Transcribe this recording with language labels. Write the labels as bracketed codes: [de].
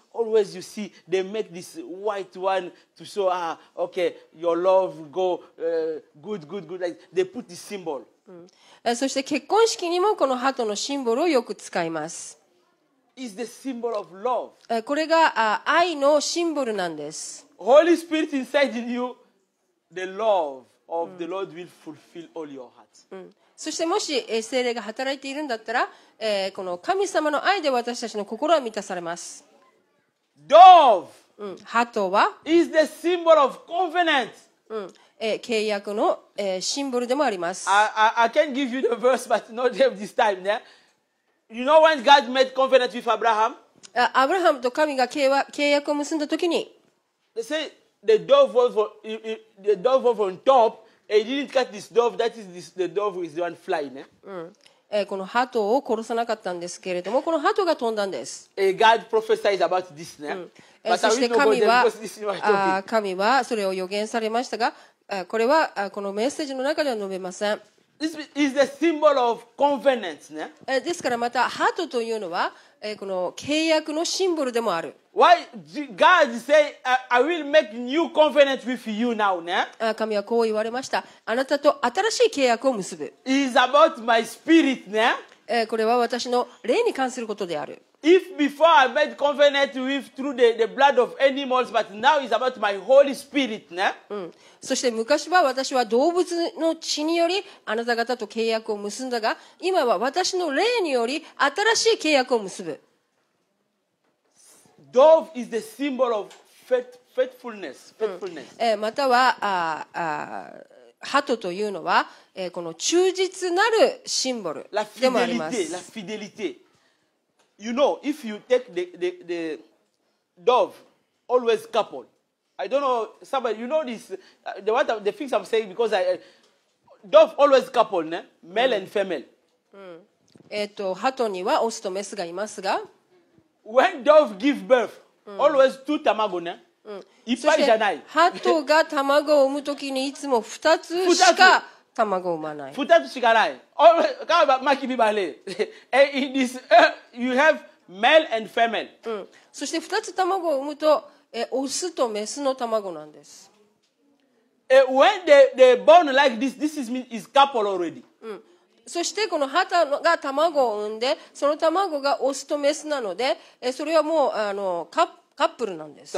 [en] Always you see they make this white one to show okay, your love go good. Like they put this symbol. [ja] そして結婚式にもこの鳩のシンボルをよく使います。 [en] Is the symbol of love. [ja] これが愛のシンボルなんです。 [en] Holy Spirit inside in you, the love of the Lord will fulfill all your heart. [ja] そしてもし聖霊が働いているんだったら、この神様の愛で私たちの心は満たされます。 [en] Dove. [ja] ハトは [en] is the symbol of covenant. [ja] 契約の、シンボルでもあります。 [en] I can give you the verse, but not this time, ne? You know when God made covenant with Abraham? [ja] Abraham と神が契約を結んだ時に [en] They say the dove was on top. He didn't cut this dove. That is the dove who is the one flying. [ja] この鳩を殺さなかったんですけれども、この鳩が飛んだんです。 [en] God prophesied about this. [ja] そして神はそれを予言されましたが、これはこのメッセージの中では述べません。 [en] This is the symbol of covenant, ね。 [ja] ですからまたハートというのはこの契約のシンボルでもある。 [en] Why God say I will make new covenant with you now, ね。 [ja] 神はこう言われました。あなたと新しい契約を結ぶ。 [en] It is about my spirit, ね。 [ja] これは私の霊に関することである。 [en] If before I made covenant with through the blood of animals, but now it's about my Holy Spirit, ne? [ja] そして昔は私は動物の血によりあなた方と契約を結んだが、今は私の霊により新しい契約を結ぶ。 [en] Dove is the symbol of faithfulness. [ja] または鳩というのは、この忠実なるシンボルでもあります。 [fr] La fidélité. [en] You know, if you take the dove, always couple. I don't know, somebody, you know this, the things I'm saying, because dove always couple, ne? Male and female. [ja] 鳩にはオスとメスがいますが、 [en] When dove give birth, always two tamago, ne? [ja] いっぱいじゃない。鳩が卵を産むときにいつも2つしか卵を産まない。 2つしかない。カバマキビバレ。 [en] え、in this earth, you have male and female. [ja] そして2つ卵を産むと、オスとメスの卵なんです。 [en] When they born like this, this is couple already. [ja] そしてこの鳩が卵を産んで、その卵がオスとメスなので、それはもうカップルなんです。